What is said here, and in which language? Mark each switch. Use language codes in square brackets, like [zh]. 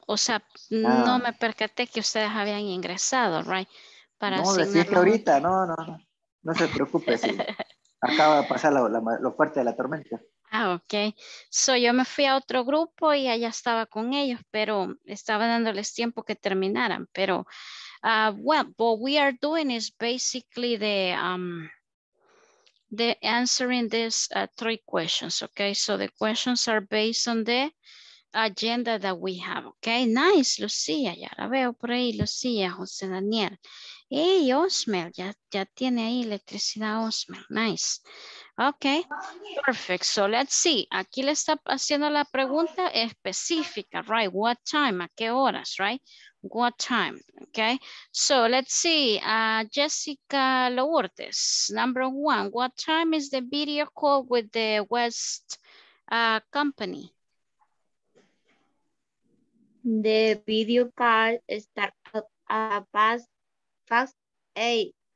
[es] O sea, no me percaté que ustedes habían ingresado, right? Para no, asignarlo. Decís que ahorita, no. No se preocupe, sí. Acaba de pasar lo fuerte de la tormenta. Ah, ok. So, yo me fui a otro grupo y allá estaba con ellos, pero estaba dándoles tiempo que terminaran. [en] Pero, what we are doing is basically the answering these three questions, okay? So, the questions are based on the agenda that we have, okay? [es] Nice, Lucía, ya la veo por ahí, Lucía, José Daniel. Hey, Osmel, ya tiene ahí electricidad, Osmel, nice. [en] Okay, perfect, so let's see. [es] Aquí le está haciendo la pregunta específica, right? [en] What time, [es] a qué horas, [en] right? What time, okay? So let's see, Jessica Lourdes, number one, what time is the video call with the West company? The video call starts at 8.